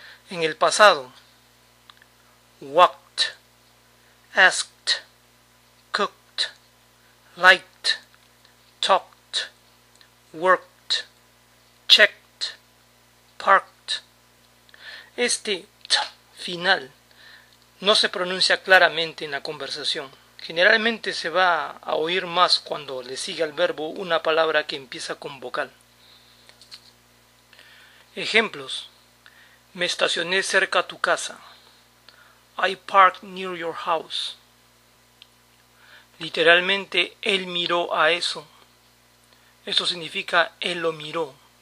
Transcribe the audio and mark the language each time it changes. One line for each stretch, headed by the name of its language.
Spanish: En el pasado,
English: walked, asked, cooked, liked, talked, worked, checked, parked.
Spanish: Este t final no se pronuncia claramente en la conversación. Generalmente se va a oír más cuando le sigue al verbo una palabra que empieza con vocal. Ejemplos. Me estacioné cerca a tu casa.
English: I parked near your house.
Spanish: Literalmente, él miró a eso. Eso significa, él lo miró.